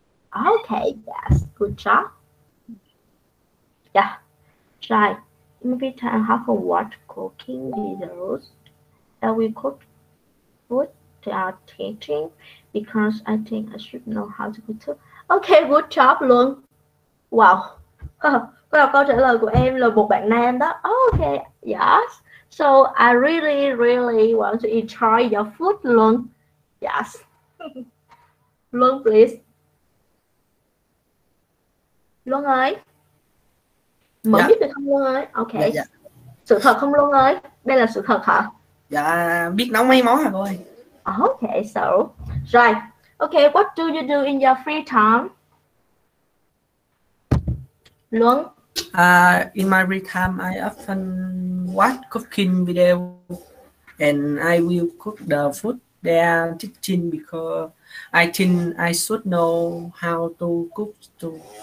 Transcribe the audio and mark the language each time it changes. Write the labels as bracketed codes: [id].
[en] Okay, yes, good job. Yeah, right. Maybe I have a watch cooking videos that we cook food to our teaching because I think I should know how to cook too. Okay, good job luôn. Wow. [vi] Câu trả lời của em là một bạn nam đó. [en] Ok, yes. So I really really want to enjoy your food luôn. Yes. Luôn please. [vi] Luôn ơi. Mở dạ. Biết được không Luôn ơi? Ok. Dạ, dạ. Sự thật không Luôn ơi? Đây là sự thật hả? Dạ, biết nấu mấy món hả cô ơi? [en] Ok, so. Right. Ok, what do you do in your free time? Luân. In my free time, I often watch cooking video, and I will cook the food they are teaching because I think I should know how to cook too.